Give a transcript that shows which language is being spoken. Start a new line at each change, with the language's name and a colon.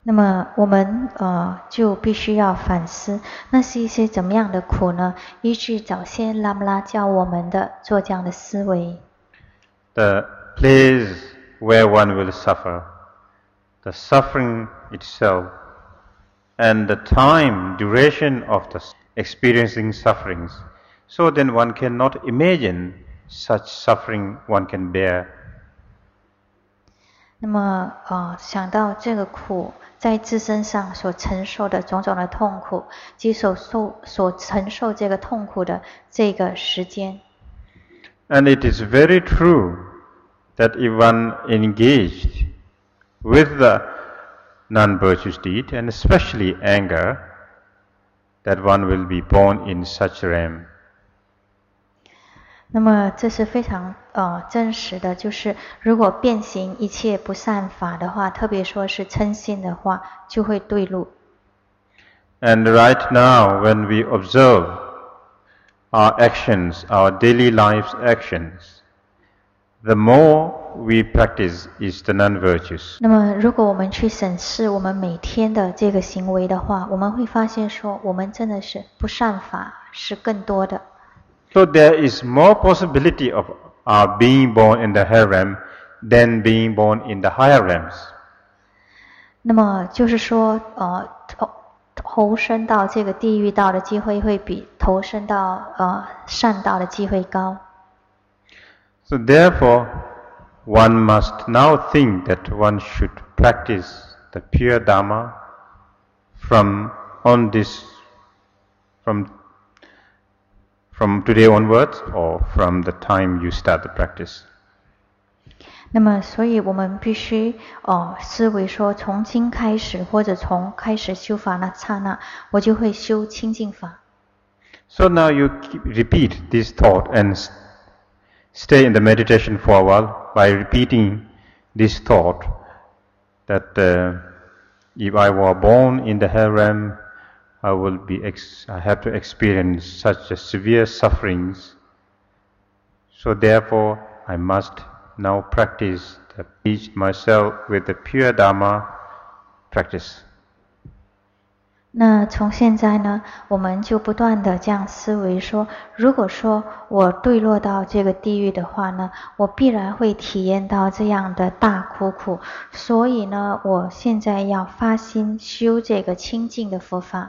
Chinese: 那么我们就必须要反思，那是一些怎么样的苦呢？依据早先喇嘛拉教我们的做这样的思维。
English: The place where one will suffer, the suffering itself, and the time, duration of the experiencing sufferings. So then one cannot imagine such suffering one can bear.
Chinese: 那么想到这个苦在自身上所承受的种种的痛苦，即所承受这个痛苦的这个时间。
English: And it is very true,that if one engaged with the non-virtuous deed, and especially anger, that one will be born in such a realm.
Chinese: 那么这是非常真实的，就是如果遍行一切不善法的话，特别说是嗔心的话，就会堕入。
English: And right now, when we observe our actions, our daily life's actions,The more we practice is the non-virtuous.
Chinese: 那么如果我们去审视我们每天的这个行为的话，我们会发现说我们真的是不善法是更多的。
English: So there is more possibility of our being born in the hell realm than being born in the higher realms.
Chinese: 那么就是说投身到这个地狱道的机会会比投身到善道的机会高。
English: So therefore, one must now think that one should practice the pure Dharma from today onwards, or from the time you start the practice.
Chinese: 那么，所以我们必须思维说，从今开始，或者从开始修法那刹那，我就会修清净法。
English: So now you repeat this thought and stay in the meditation for a while by repeating this thought that if I were born in the hell realm, I have to experience such a severe sufferings. So therefore, I must now practice, teach myself with the pure Dharma practice.
Chinese: 那从现在呢，我们就不断的这样思维说，如果说我堕落到这个地狱的话呢，我必然会体验到这样的大苦苦，所以呢，我现在要发心修这个清净的佛法。